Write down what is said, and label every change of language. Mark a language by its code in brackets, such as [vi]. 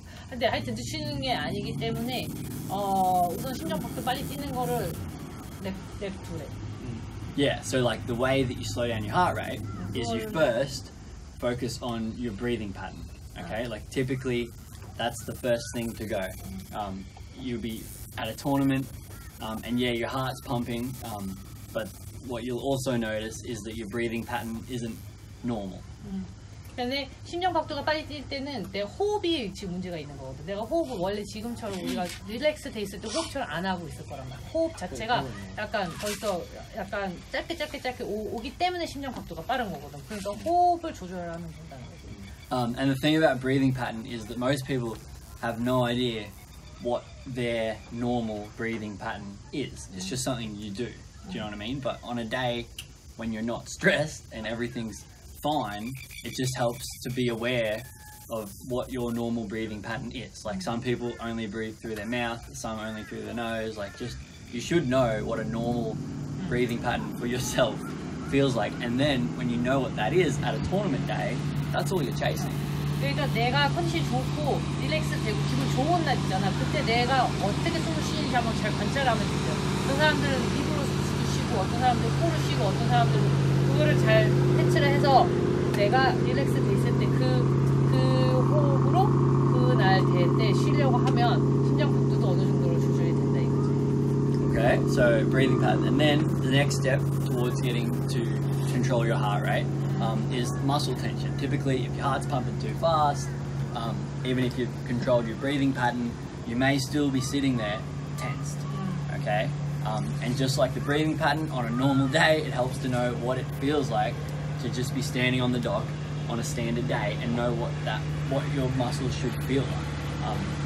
[ko] 근데 하여튼 늦추는 게 아니기 때문에 우선 심장 박동 빨리 뛰는 거를 냅두래. [en] Yeah. So like the way that you slow down your heart rate is you first focus on your breathing pattern. Okay. Like typically. That's the first thing to go. You'll be at a tournament, and yeah, your heart's pumping, but what you'll also notice is that your breathing pattern isn't normal. [ko] 근데 심장 박동이 빠질 때는 내 호흡이 지금 문제가 있는 거거든. 내가 호흡을 원래 지금처럼 우리가 릴렉스 돼 있을 때 호흡처럼 안 하고 있을 거란 말이야. 호흡 자체가 약간 벌써 약간 짧게 오기 때문에 심장 박동이 빠른 거거든. 그러니까 호흡을 조절하는 거다는 거지. [en] And the thing about breathing pattern is that most people have no idea what their normal breathing pattern is. It's just something you do. Do you know what I mean? But on a day when you're not stressed and everything's fine, it just helps to be aware of what your normal breathing pattern is. Like some people only breathe through their mouth, some only through their nose. Like just, you should know what a normal breathing pattern for yourself feels like. And then when you know what that is at a tournament day, that's all you're chasing. [ko] 그러니까 내가 컨디션 좋고 릴렉스 되고 기분 좋은 날 있잖아. 그때 내가 어떻게 숨을 쉬는지 한번 잘 관찰하면 돼요. 어떤 사람들은 입으로 숨을 쉬고 어떤 사람들은 코로 쉬고 어떤 사람들은 그거를 잘 캐치를 해서 내가 릴렉스 돼 있을 때 그 호흡으로 그 날 때 쉬려고 하면 심장 박동도 어느 정도로 조절이 된다 이거지. [en] Okay, so breathing pattern. And then the next step towards getting to control your heart rate. Is muscle tension. Typically, if your heart's pumping too fast, even if you've controlled your breathing pattern, you may still be sitting there tensed, okay? And just like the breathing pattern, on a normal day, it helps to know what it feels like to just be standing on the dock on a standard day and know what your muscles should feel like.